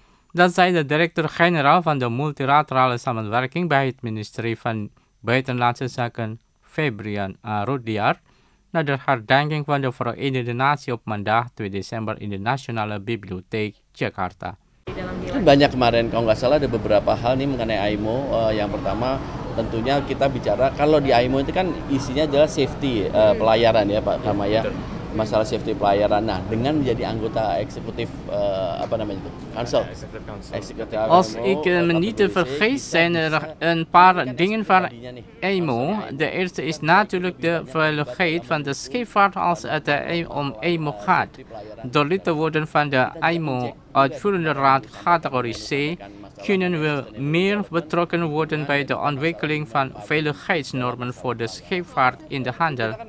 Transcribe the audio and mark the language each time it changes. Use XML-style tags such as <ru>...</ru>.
<nl>Dat zei de directeur-generaal van de multilaterale samenwerking bij het ministerie van Buitenlandse Zaken, Febrian Rudiar, na de herdenking van de Verenigde Naties op maandag 2 december in de Nationale Bibliotheek Jakarta.</nl> <id>Banyak kemarin, kalau nggak salah ada beberapa hal nih mengenai IMO. Yang pertama, tentunya kita bicara kalau di IMO itu kan isinya adalah safety pelayaran ya Pak Tama ya, masalah safety pelayaran. Nah, dengan menjadi anggota eksekutif apa namanya itu?</id> <en>Council.</en> <nl>Als ik me niet vergis zijn er een paar dingen van IMO. De eerste is natuurlijk de veiligheid van de scheepvaart als het om IMO gaat. Door lid te worden van de IMO uitvoerende raad categorie C kunnen we meer betrokken worden bij de ontwikkeling van veiligheidsnormen voor de scheepvaart in de handel.</nl>